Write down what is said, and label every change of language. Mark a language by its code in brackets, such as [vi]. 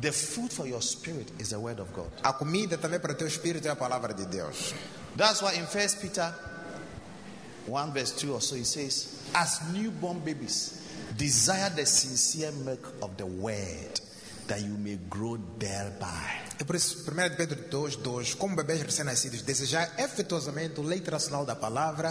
[en] The food for your spirit is the word of God. [pt] A comida também para teu espírito é a palavra de Deus. [en] That's why in 1 Peter 1 verse 2 or so he says, as newborn babies, desire the sincere milk of the word, that you may grow thereby. [pt] É por isso, 1 Pedro 2, 2, como bebês recém-nascidos, desejar efetuosamente o leite racional da palavra.